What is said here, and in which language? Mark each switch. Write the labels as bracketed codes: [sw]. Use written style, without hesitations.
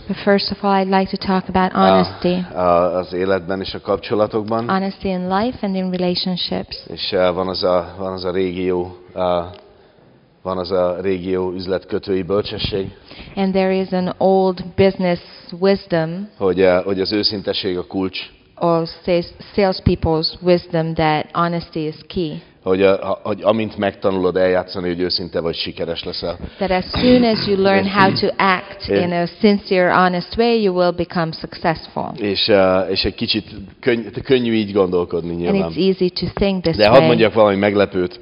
[en] But first of all, I'd like to talk about honesty. [hu] Az életben és a kapcsolatokban. [en] Honesty in life and in relationships. [hu] És van az a régió üzletkötői bölcsesség. [en] And there is an old business wisdom. [hu] Hogy az őszinteség a kulcs. [en] Or salespeople's wisdom that honesty is key. [hu] Hogy amint megtanulod eljátszani, hogy őszinte vagy, sikeres leszel. [en] That as soon as you learn how to act in a sincere, honest way, you will become successful. [hu] És egy kicsit könnyű így gondolkodni nyilván. [en] And it's easy to think this [hu] way. De hadd mondjak valami meglepőt.